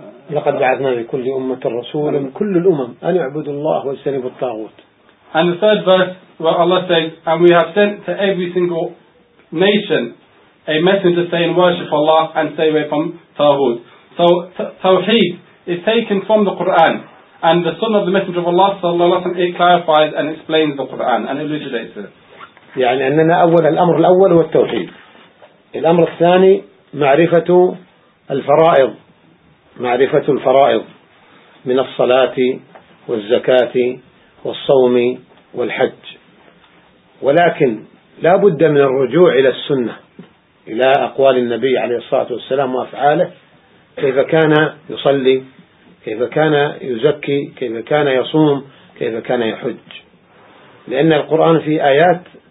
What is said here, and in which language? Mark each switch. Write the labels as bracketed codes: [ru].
[ar] لقد بعثنا لكل أمة رسولا من كل الأمم أن يعبدوا الله ويجتنبوا الطاغوت. [en] And the third verse where Allah says, "And we have sent to every single nation a messenger saying, worship Allah and stay away from Tawhid." So Tawheed is taken from the Quran, and the Sunnah of the Messenger of Allah sallallahu alaihi wasallam, it clarifies and explains the Quran and elucidates it. [ar] يعني أننا أول الأمر الأول هو التوحيد. الأمر الثاني معرفة الفرائض. معرفة الفرائض من الصلاة والزكاة والصوم والحج، ولكن لا بد من الرجوع إلى السنة، إلى أقوال النبي عليه الصلاة والسلام وأفعاله، كيف كان يصلي، كيف كان يزكي، كيف كان يصوم، كيف كان يحج، لأن القرآن في آيات